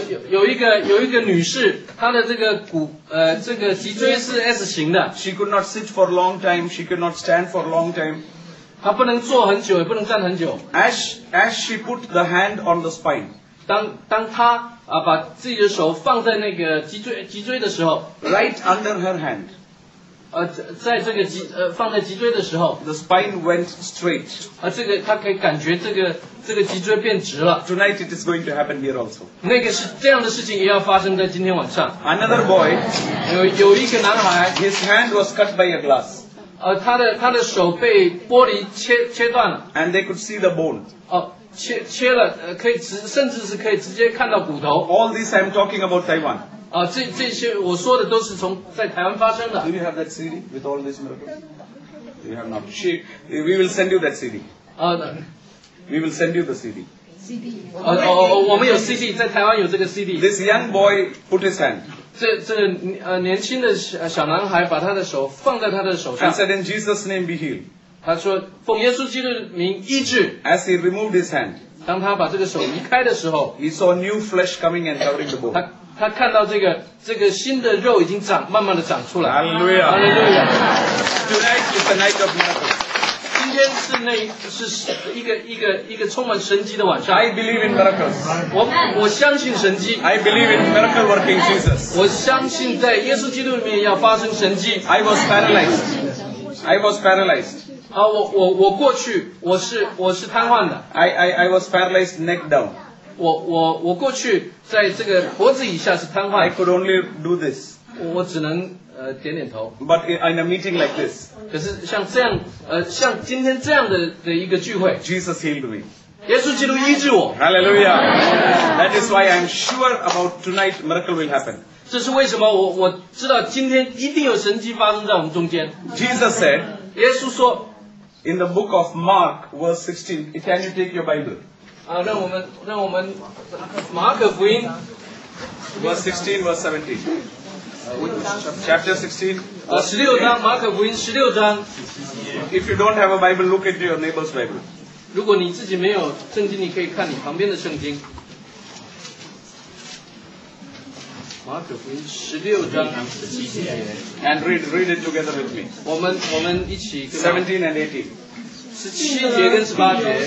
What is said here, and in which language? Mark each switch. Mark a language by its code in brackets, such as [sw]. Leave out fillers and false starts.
[zh] 有一个女士，她的这个骨这个脊椎是 S 型的。 [en] She could not sit for a long time. She could not stand for a long time. [zh] 她不能坐很久，也不能站很久。 [en] As she put the hand on the spine. [zh] 当她把自己的手放在那个脊椎的时候 [en] ，right under her hand， [zh] 在这个放在脊椎的时候 [en] ，the spine went straight， [zh] 这个他可以感觉这个脊椎变直了。 [en] Tonight it is going to happen here also。 [zh] 那个是这样的事情也要发生在今天晚上。 [en] Another boy， [zh] 有一个男孩 [en] ，his hand was cut by a glass。 [zh] 他的手被玻璃切断了。 [en] And they could see the bone。 [zh] 切了，可以甚至是可以直接看到骨头。 [en] All this I'm talking about Taiwan。 [zh] 这些我说的都是从在台湾发生的。 [en] Do you have that CD with all these miracles? You have not. We will send you that CD. We will send you the CD. [zh] CD. 我们有 CD， 在台湾有这个 CD。 [en] This young boy put his hand. [zh] 这年轻的小男孩把他的手放在他的手上。 [en] And said in Jesus' name be healed. [zh] 他说奉耶稣基督的名医治。 [en] As he removed his hand, [zh] 当他把这个手移开的时候， [en] he saw new flesh coming and covering the bone. [zh] 他看到这个新的肉已经长，慢慢的长出来。 [en] Hallelujah. Hallelujah. Tonight is the night of miracles. [zh] 今天是那是一个充满神迹的晚上。 [en] I believe in miracles. [zh] 我相信神迹。 [en] I believe in miracle working Jesus. [zh] 我相信在耶稣基督里面要发生神迹。 [en] I was paralyzed. I was paralyzed. [zh] 啊，我过去我是瘫痪的。 [en] I was paralyzed neck down. [zh] 我过去在这个脖子以下是瘫痪。 [en] I could only do this. [zh] 我只能。点点头。 [en] But in a meeting like this, [zh] 可是像这样，像今天这样的一个聚会 [en] ，Jesus healed me. [zh] 耶稣基督医治我。 [en] Hallelujah. That is why I'm sure about tonight miracle will happen. [zh] 这是为什么我知道今天一定有神迹发生在我们中间。 [en] Jesus said. [zh] 耶稣说 [en] ，In the book of Mark, verse 16. Can you take your Bible? [zh] 让我们马可福音 [en] ，verse 16, verse 17. Chapter 16. [zh] 十六章马可福音十六章。 [en] If you don't have a Bible, look at your neighbor's Bible. [zh] 如果你自己没有圣经，你可以看你旁边的圣经。马可福音十六章十七节。 [en] And read it together with me. [zh] 我们一起。 [en] 17 and 18. [zh] 十七节跟十八节。